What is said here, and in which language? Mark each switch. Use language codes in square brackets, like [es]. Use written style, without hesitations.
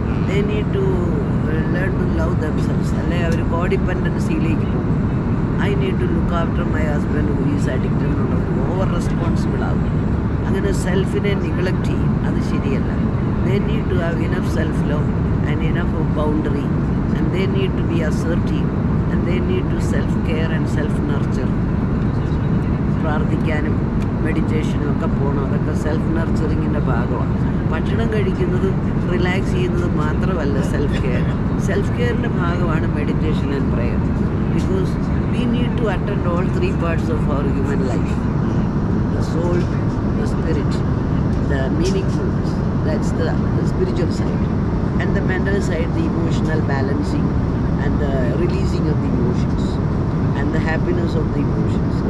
[en] they need to learn to love themselves, [ml] അല്ലെങ്കിൽ അവർ കോഡിപ്പെൻഡൻസിയിലേക്ക് പോകും. [en] I need to look after my husband who is addicted [ml] എന്നുള്ള ഒരു over responsible ആകും. അങ്ങനെ സെൽഫിനെ neglect ചെയ്യും, അത് ശരിയല്ല. [en] They need to have enough self love and enough boundary and they need to be assertive. They need to self-care and self-nurture. [ml] പ്രാർത്ഥിക്കാനും മെഡിറ്റേഷനും ഒക്കെ പോകണം, അതൊക്കെ സെൽഫ് നർച്ചറിങ്ങിൻ്റെ ഭാഗമാണ്. ഭക്ഷണം കഴിക്കുന്നതും റിലാക്സ് ചെയ്യുന്നതും മാത്രമല്ല സെൽഫ് കെയർ, സെൽഫ് കെയറിൻ്റെ ഭാഗമാണ് [en] Meditation and prayer. Because we need to attend all three parts of our human life, the soul, the spirit, the meaningfulness, that's the spiritual side, and the mental side, the emotional balancing and the releasing of the emotions and the happiness of the emotions.